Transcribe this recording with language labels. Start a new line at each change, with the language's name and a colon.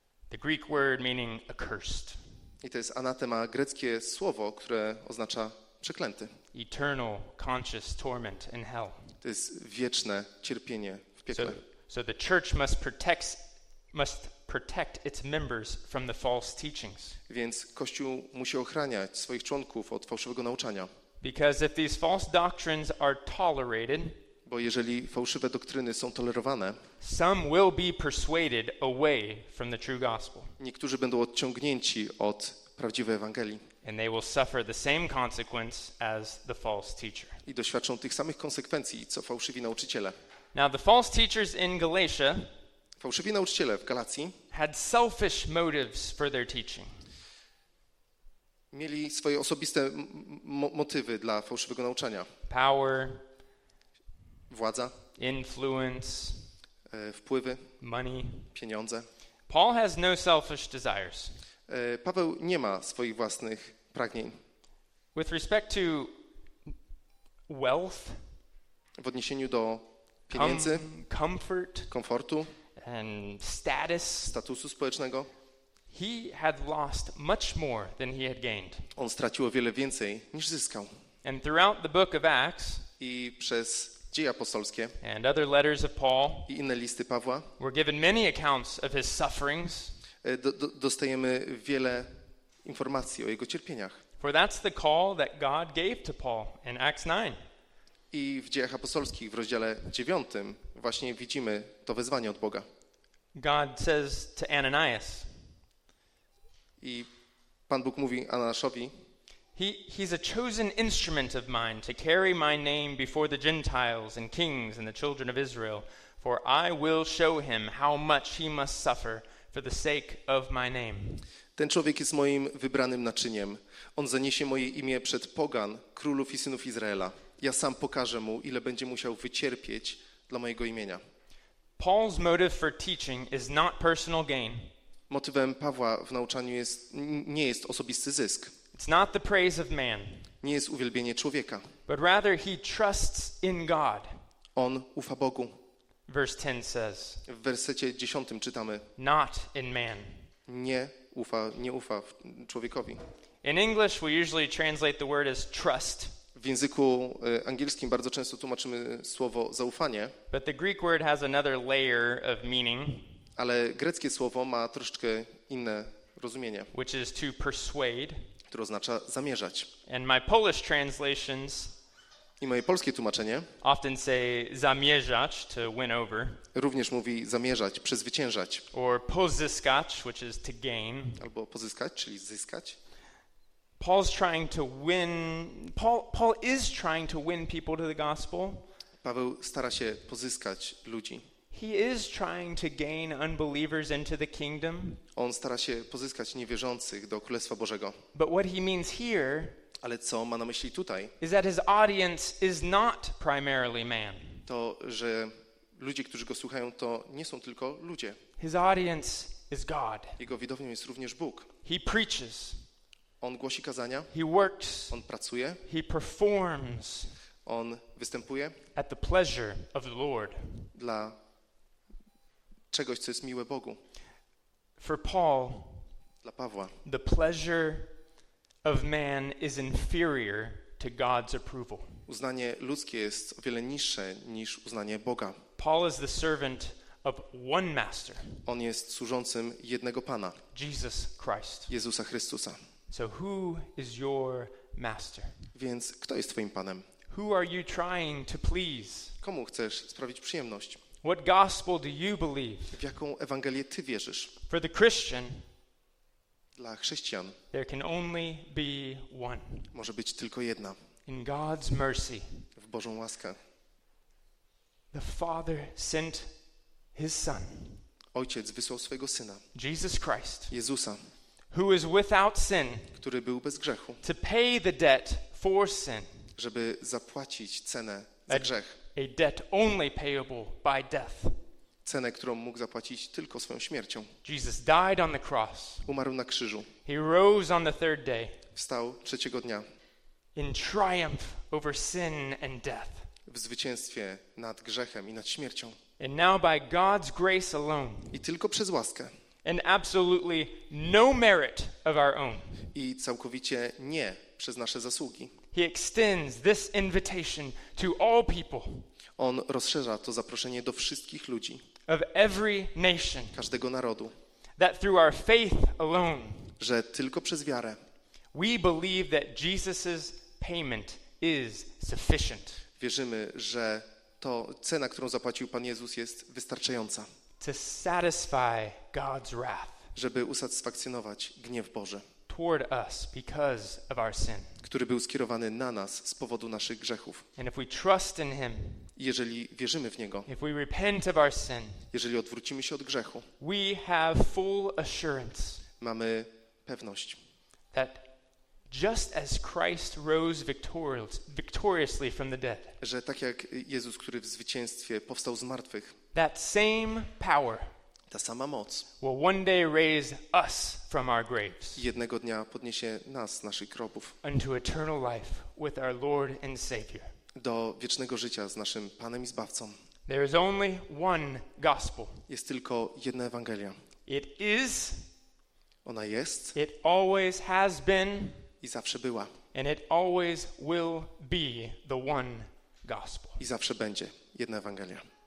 English: The Greek word meaning accursed.
Polish: I to jest anatema, greckie słowo, które oznacza przeklęty.
English: Eternal conscious torment in hell.
Polish: To jest wieczne cierpienie w piekle.
English: So the church must protect its members from the false teachings.
Polish: Więc kościół musi ochraniać swoich członków od fałszywego nauczania.
English: Because if these false doctrines are tolerated,
Polish: bo jeżeli fałszywe doktryny są tolerowane,
English: some will be persuaded away from the true gospel.
Polish: Niektórzy będą odciągnięci od prawdziwej Ewangelii.
English: And they will suffer the same consequence as the false teacher.
Polish: I doświadczą tych samych konsekwencji co fałszywi nauczyciele.
English: Now the false teachers in Galatia,
Polish: fałszywi nauczyciele w Galacji,
English: had selfish motives for their teaching.
Polish: Mieli swoje osobiste motywy dla fałszywego nauczania.
English: Power,
Polish: władza,
English: influence,
Polish: wpływy,
English: money,
Polish: pieniądze.
English: Paul has no selfish desires.
Polish: Paweł nie ma swoich własnych pragnień.
English: With respect to wealth,
Polish: w odniesieniu do pieniędzy,
English: comfort,
Polish: komfortu,
English: and status,
Polish: statusu społecznego,
English: he had lost much more than he had gained.
Polish: On stracił o wiele więcej niż zyskał.
English: And throughout the book of Acts,
Polish: i przez Dzieje Apostolskie,
English: and other letters of Paul,
Polish: i inne listy Pawła,
English: were given many accounts of his sufferings.
Polish: Dostajemy wiele informacji o jego cierpieniach.
English: For that's the call that God gave to Paul in Acts 9.
Polish: I w Dziejach Apostolskich w rozdziale 9 właśnie widzimy to wezwanie od Boga.
English: God says to Ananias.
Polish: I Pan Bóg mówi Ananaszowi.
English: He's a chosen instrument of mine to carry my name before the Gentiles and kings and the children of Israel, for I will show him how much he must suffer for the sake of my name.
Polish: Ten człowiek jest moim wybranym naczyniem. On zaniesie moje imię przed pogan, królów i synów Izraela. Ja sam pokażę mu, ile będzie musiał wycierpieć dla mojego imienia.
English: Paul's motive for teaching is not personal gain.
Polish: Motywem Pawła w nauczaniu jest, nie jest osobisty zysk.
English: It's not the praise of man.
Polish: Nie jest uwielbienie człowieka.
English: But rather he trusts in God.
Polish: On ufa Bogu.
English: Verse 10 says.
Polish: W wersecie 10 czytamy.
English: Not in man.
Polish: Nie ufa człowiekowi.
English: In English we usually translate the word as trust.
Polish: W języku angielskim bardzo często tłumaczymy słowo zaufanie.
English: But the Greek word has another layer of meaning.
Polish: Ale greckie słowo ma troszeczkę inne rozumienie.
English: Which is to persuade.
Polish: Które oznacza zamierzać.
English: And my Polish translations.
Polish: I moje polskie tłumaczenie.
English: Often say zamierzać, to win over.
Polish: Również mówi zamierzać, przezwyciężać.
English: Or pozyskać, which is to gain.
Polish: Albo pozyskać, czyli zyskać.
English: Paul is trying to win people to the gospel.
Polish: Paweł stara się pozyskać ludzi.
English: He is trying to gain unbelievers into the kingdom.
Polish: On stara się pozyskać niewierzących do Królestwa Bożego.
English: But what he means here,
Polish: ale co ma na myśli tutaj,
English: is that his audience is not primarily man.
Polish: To, że ludzie, którzy go słuchają, to nie są tylko ludzie.
English: His audience is God.
Polish: Jego widownią jest również Bóg.
English: He preaches.
Polish: On głosi kazania.
English: He works.
Polish: On pracuje.
English: He performs.
Polish: On występuje.
English: At the pleasure of the Lord.
Polish: Dla czegoś, co jest miłe Bogu.
English: For Paul,
Polish: dla Pawła,
English: the pleasure of man is inferior to God's approval.
Polish: Uznanie ludzkie jest o wiele niższe niż uznanie Boga.
English: Paul is the servant of one master.
Polish: On jest służącym jednego Pana.
English: Jesus Christ.
Polish: Jezusa Chrystusa.
English: So who is your master?
Polish: Więc kto jest twoim panem?
English: Who are you trying to please?
Polish: Komu chcesz sprawić przyjemność?
English: What gospel do you believe?
Polish: W jaką ewangelię ty wierzysz?
English: For the Christian,
Polish: dla chrześcijan,
English: there can only be one.
Polish: Może być tylko jedna.
English: In God's mercy,
Polish: w Bożą łaskę,
English: the Father sent his son.
Polish: Ojciec wysłał swojego syna.
English: Jesus Christ.
Polish: Jezusa.
English: Who is without sin?
Polish: Który był bez grzechu.
English: To pay the debt for sin.
Polish: Żeby zapłacić cenę za grzech.
English: A debt only payable by death.
Polish: Cenę, którą mógł zapłacić tylko swoją śmiercią.
English: Jesus died on the cross.
Polish: Umarł na krzyżu.
English: He rose on the third day.
Polish: Wstał trzeciego dnia.
English: In triumph over sin and death.
Polish: W zwycięstwie nad grzechem i nad śmiercią.
English: And now by God's grace alone.
Polish: I tylko przez łaskę.
English: And absolutely no merit of our own.
Polish: I całkowicie nie przez nasze zasługi.
English: He extends this invitation to all people.
Polish: On rozszerza to zaproszenie do wszystkich ludzi.
English: Of every nation.
Polish: Każdego narodu.
English: That through our faith alone.
Polish: Że tylko przez wiarę.
English: We believe that Jesus's payment is sufficient.
Polish: Wierzymy, że to cena, którą zapłacił Pan Jezus, jest wystarczająca.
English: To satisfy God's wrath.
Polish: Żeby usatysfakcjonować gniew Boży.
English: Toward us because of our sin.
Polish: Który był skierowany na nas z powodu naszych grzechów.
English: And if we trust in him.
Polish: Jeżeli wierzymy w niego.
English: If we repent of our sin.
Polish: Jeżeli odwrócimy się od grzechu.
English: We have full assurance.
Polish: Mamy pewność.
English: That just as Christ rose victoriously from the dead.
Polish: Że tak jak Jezus, który w zwycięstwie powstał z martwych.
English: That same power.
Polish: Ta sama moc.
English: Will one day raise us from our graves.
Polish: Jednego dnia podniesie nas z naszych grobów.
English: Unto eternal life with our Lord and Savior.
Polish: Do wiecznego życia z naszym Panem i Zbawcą.
English: There is only one gospel.
Polish: Jest tylko jedna Ewangelia.
English: It is.
Polish: Ona jest.
English: It always has been.
Polish: I zawsze była.
English: And it always will be the one gospel.
Polish: I zawsze będzie jedna Ewangelia.